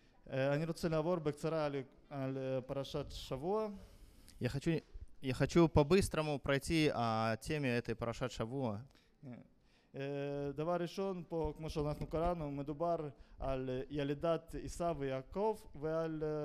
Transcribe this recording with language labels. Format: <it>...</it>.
<he>אני רוצה לעבור בקצרה על פרשת שבוע.</he> <ru>Я хочу по-быстрому пройти о теме этой פרשת שבוע.</ru> <he>דבר ראשון, פה, כמו שאנחנו קראנו, מדובר על ילידת עשיו ויעקב ועל...</he>